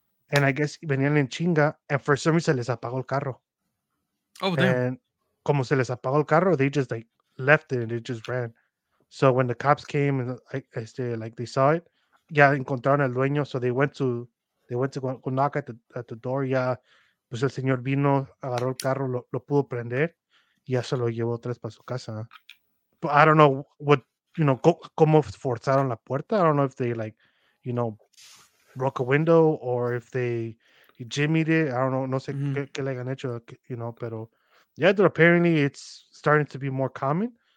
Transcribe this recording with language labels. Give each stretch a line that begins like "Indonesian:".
English: And I guess
Spanish: venían en chinga,
English: and for some reason,
Spanish: se les apagó el carro.
English: Oh, damn. And
Spanish: como se les apagó el carro,
English: they just like left it and it just ran. So when the cops came and like they saw it, yeah,
Spanish: encontraron al dueño.
English: So they went to knock at the door.
Spanish: Yeah, pues el señor vino, agarró el carro, lo pudo prender, y ya se lo llevó tres para su casa.
English: But I don't know what, you know,
Spanish: cómo forzaron la puerta.
English: I don't know if they like, you know, broke a window or if they jimmied it. I don't know.
Spanish: No sé qué le han hecho,
English: you know. Pero yeah, but apparently it's starting to be more common.